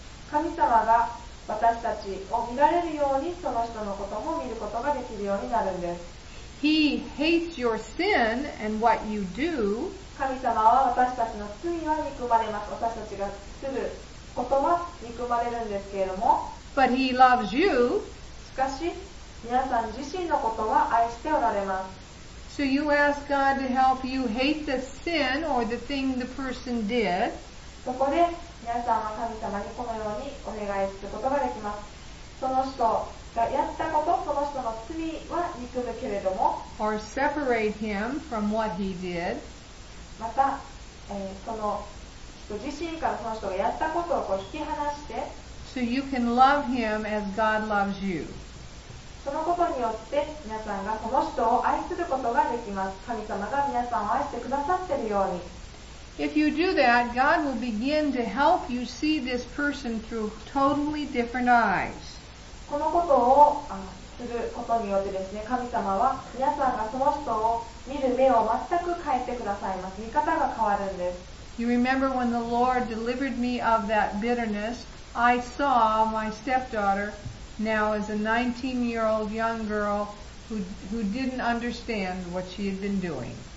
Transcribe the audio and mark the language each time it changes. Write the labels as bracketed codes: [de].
[ja] 神様が私たちを見られるようにその人のことも見ることができるようになるんです。 [en] He hates your sin and what you do. [ja] 神様は私たちの罪は憎まれます。私たちがすることは憎まれるんですけれども。 [en] But he loves you. [ja] しかし、皆さん自身のことは愛しておられます。 [en] So you ask God to help you hate the sin or the thing the person did. [ja] そこで皆さんは神様にこのようにお願いすることができます。その人がやったこと、その人の罪は憎むけれども、 [en] or separate him from what he did。 [ja] また、その人自身からその人がやったことをこう引き離して、 [en] so you can love him as God loves you。 [ja] そのことによって皆さんがその人を愛することができます。神様が皆さんを愛してくださっているように。 [en] If you do that, God will begin to help you see this person through totally different eyes. [ja] このことをすることによってですね、神様は皆さんがその人を見る目を全く変えてくださいます。見方が変わるんです。 [en] You remember when the Lord delivered me of that bitterness, I saw my stepdaughter now as a 19-year-old young girl who didn't understand what she had been doing.